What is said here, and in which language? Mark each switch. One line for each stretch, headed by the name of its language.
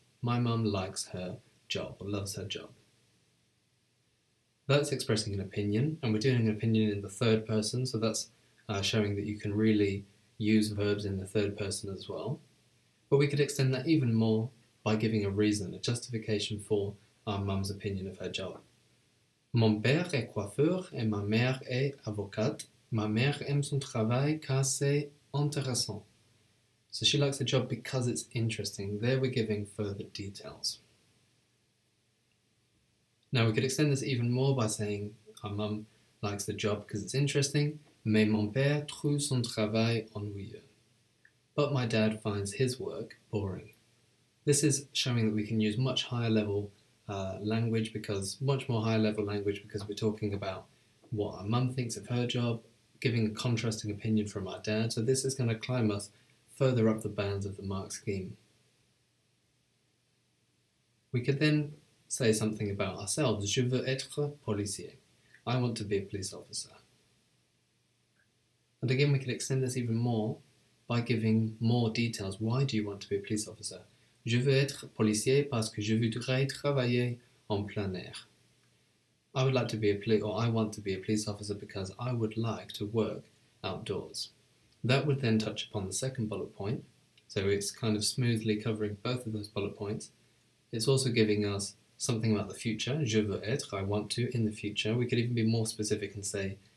English: My mum likes her job, or loves her job. That's expressing an opinion, and we're doing an opinion in the third person, so that's showing that you can really use verbs in the third person as well. But we could extend that even more by giving a reason, a justification for our mum's opinion of her job.
French: Mon père est coiffeur et ma mère est avocate. Ma mère aime son travail car c'est intéressant.
English: So she likes the job because it's interesting. There we're giving further details. Now we could extend this even more by saying our mum likes the job because it's interesting.
French: Mais mon père trouve son travail ennuyeux.
English: But my dad finds his work boring. This is showing that we can use much higher level language, because much more higher level language, because we're talking about what our mum thinks of her job, giving a contrasting opinion from our dad. So this is going to climb us further up the bounds of the mark scheme. We could then say something about ourselves.
French: Je veux être policier.
English: I want to be a police officer. And again, we could extend this even more by giving more details. Why do you want to be a police officer?
French: Je veux être policier parce que je voudrais travailler en plein air.
English: I would like to be a police, or I want to be a police officer because I would like to work outdoors. That would then touch upon the second bullet point. So it's kind of smoothly covering both of those bullet points. It's also giving us something about the future.
French: Je veux être,
English: I want to, in the future. We could even be more specific and say,